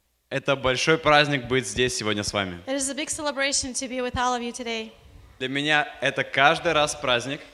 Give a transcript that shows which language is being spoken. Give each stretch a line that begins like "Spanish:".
Russian: Это большой праздник быть здесь сегодня с вами.
English: It is a big celebration to be with all of you today.
Russian: Для меня это каждый раз праздник.